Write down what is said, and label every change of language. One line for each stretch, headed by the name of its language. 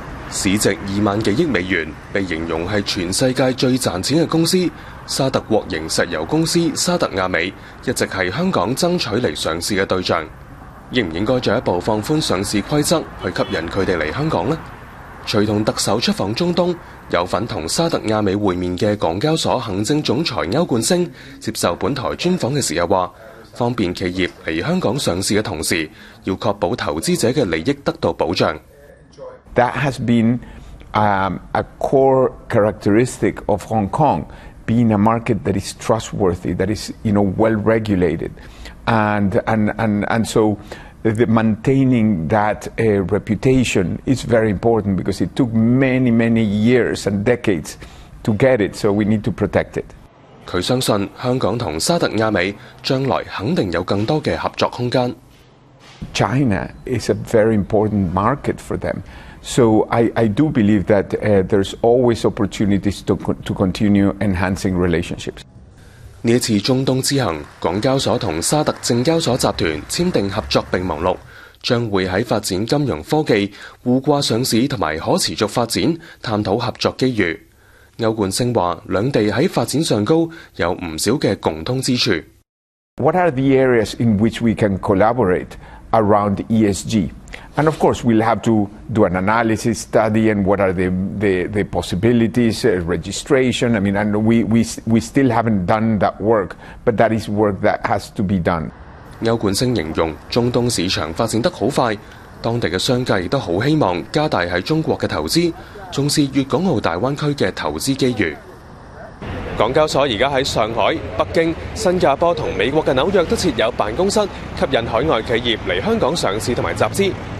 Chinese: 市值20000多亿美元，被形容是全世界最賺錢的公司，沙特國營石油公司沙特阿美一直是香港爭取來上市的對象，应不应该进一步放宽上市规则去吸引他们来香港呢？随同特首出访中东，有份同沙特阿美会面的港交所行政总裁欧冠星接受本台专访的时候说，方便企业来香港上市的同时，要确保投资者的利益得到保障。
English: That has been a core characteristic of Hong Kong, being a market that is trustworthy, that is, you know, well regulated. And so the maintaining that reputation is very important because it took many, many years and decades to get it, so we need to protect it.
Chinese: 他相信香港和沙特亚美将来肯定有更多的合作空间。
English: China is a very important market for them. So I do believe that there's always opportunities to continue enhancing relationships.
Chinese: 这次中东之行，港交所和沙特证交所集团签订合作备忘录，将会在发展金融科技、互挂上市和可持续发展探讨合作机遇。欧冠星说，两地在发展上高有不少的共通之处。
English: What are the areas in which we can collaborate around ESG? And of course, we'll have to do an analysis study and what are the possibilities, registration. I mean, and we still haven't done that work, but that is work that has to be done.
Chinese: 欧冠星形容中东市场发展得很快，当地的商界都很希望加大在中国的投资，重视粤港澳大湾区的投资机遇。港交所现在在上海、北京、新加坡和美国的纽约都设有办公室，吸引海外企业来香港上市和集资。